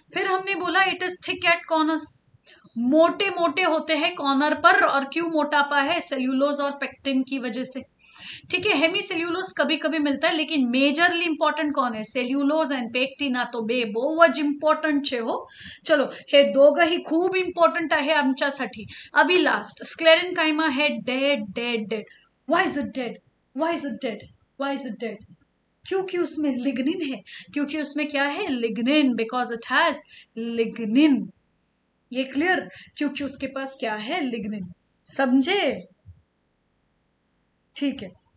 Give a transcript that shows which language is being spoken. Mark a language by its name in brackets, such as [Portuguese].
[Hindi] फिर हमने बोला [English] it is thick at corners, [Hindi] मोटे मोटे होते हैं कॉर्नर पर, और क्यों मोटापा है, सेल्यूलोज और पेक्टिन की वजह से, ठीक है। हेमी सेल्यूलोज कभी कभी मिलता है, लेकिन मेजरली इंपॉर्टेंट कौन है, सेल्यूलोज एंड पेक्टिन, [Gujarati] आ तो बे बहुज इंपॉर्टेंट छे हो। [Marathi] चलो हे दोग ही खूब इंपॉर्टेंट आहे आमच्या साठी। [Hindi] अभी लास्ट स्क्लेरेनकाइमा है dead dead dead, [English] why is it dead, [Hindi] why is it dead, why is it dead, क्योंकि उसमें लिग्निन है, क्योंकि उसमें क्या है, lignin, [English] because it has lignin, [Hindi] ये क्लियर, क्योंकि उसके पास क्या है, लिग्निन, समझे, ठीक है।